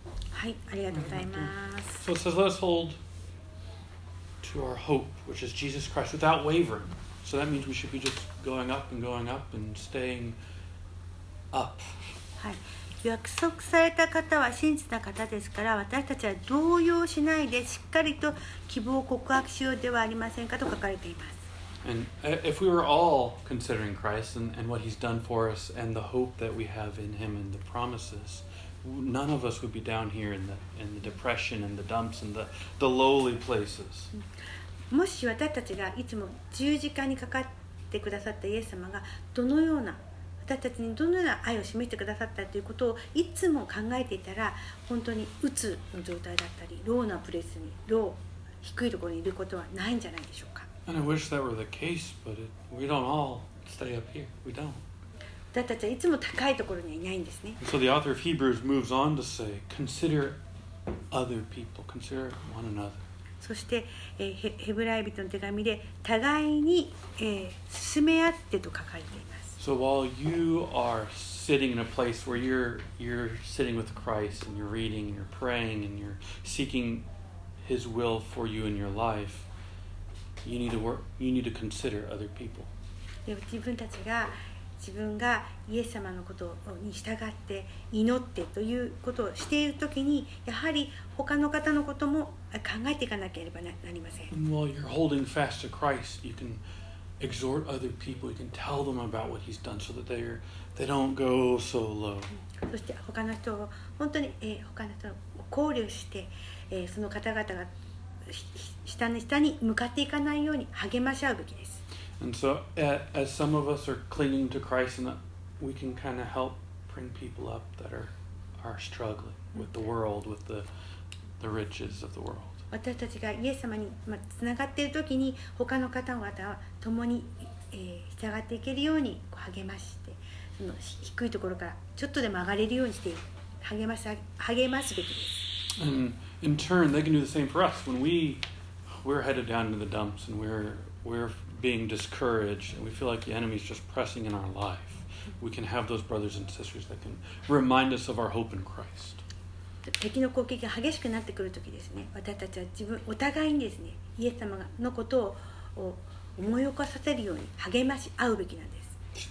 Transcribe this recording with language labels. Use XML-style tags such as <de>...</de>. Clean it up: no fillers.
<ja>はい、ありがとうございます。</ja> <en>So it says, let us hold to our hope, which is Jesus Christ, without wavering. So that means we should be just going up and going up and staying up.</en> <ja>はい、約束された方は信じた方ですから、私たちは動揺しないでしっかりと希望を告白しようではありませんかと書かれています。</ja> <en>And if we were all considering Christ and what he's done for us and the hope that we have in him and the promises, none of us would be down here in the depression and the dumps and the lowly places.</en> <ja>もし私たちがいつも十字架にかかってくださったイエス様がどのような私たちにどのような愛を示してくださったということをいつも考えていたら、本当に鬱の状態だったりローなプレスにロー低いところにいることはないんじゃないでしょうか。</ja> <en>And I wish that were the case, but we don't all stay up here. We don't.</en> <ja>だったらいつも高いところにいないんですね。</ja> <en>So the author of Hebrews moves on to say, consider other people, consider one another.</en> <ja>そして、ヘブライ人の手紙で互いに、進め合ってと書かれています。</ja> <en>So while you are sitting in a place where you're sitting with Christ and you're reading and you're praying and you're seeking His will for you in your life,You need to consider other people.</en> <ja>で、自分たちが自分がイエス様のことに従って祈ってということをしているときに、やはり他の方のことも考えていかなければなりません。</ja> <en>And while you're holding fast to Christ, you can exhort other people. You can tell them about what He's done, so that they don't go so low.</en> <ja>そして他の人を本当に、他の人を考慮して、その方々が下に向かっていかないように励まし合うべきです。</ja> <en>And so, as some of us are clinging to Christ, and that we can kind of help bring people up that are struggling with the world, with the riches of the world.</en> <ja>私たちがイエス様につながっているときに、他の方々は共に従っていけるように励まして、その低いところからちょっとでも上がれるようにして励ますべきです。</ja> <en>And in turn, they can do the same for us when we're headed down to the dumps and we're being discouraged and we feel like the enemy is just pressing in our life. We can have those brothers and sisters that can remind us of our hope in Christ.</en> <ja>敵の攻撃が激しくなってくるときですね、私たちは自分お互いにですね、イエス様のことを思い起こさせるように励まし合うべきなんです。</ja>